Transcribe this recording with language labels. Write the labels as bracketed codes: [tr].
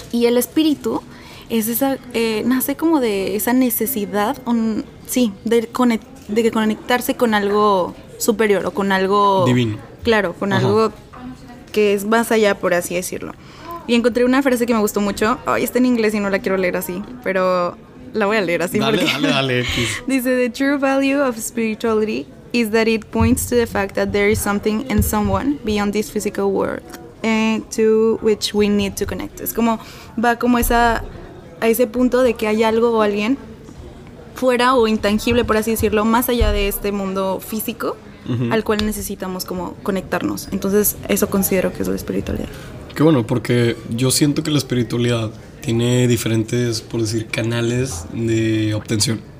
[es] Y el espíritu es esa, nace como de esa necesidad, de conectarse con algo superior o con algo divino. Claro, con algo que es más allá, por así decirlo. Y encontré una frase que me gustó mucho. Ay, está en inglés y no la quiero leer así, pero la voy a leer así. Dale. [en] Dice: The true value of spirituality is that it points to the fact that there is something and someone beyond this physical world to which we need to connect. [es] Es como, va como a ese punto de que hay algo o alguien fuera o intangible, por así decirlo, más allá de este mundo físico, uh-huh, al cual necesitamos como conectarnos. Entonces, eso considero que es la espiritualidad. Qué bueno, porque yo siento que la espiritualidad tiene diferentes, por decir, canales de obtención.